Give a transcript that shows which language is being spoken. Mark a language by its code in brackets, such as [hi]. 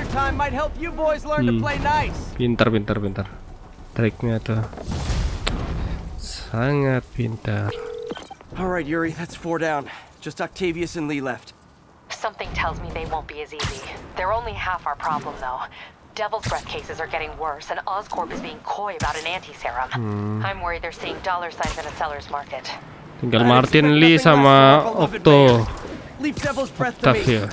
[en] Might help you boys learn to play nice. [id] Pintar. Triknya tuh sangat pintar. [en] All right, Yuri, that's four down. Just Octavius and Lee left. Something tells me they won't be as easy. They're only half our problem, though. Devil's Breath cases are getting worse, and Oscorp is being coy about an anti-serum. I'm worried they're seeing dollar signs in a seller's market. [id] Tinggal Martin Lee sama Octo. [en] Leave Devil's Breath to me.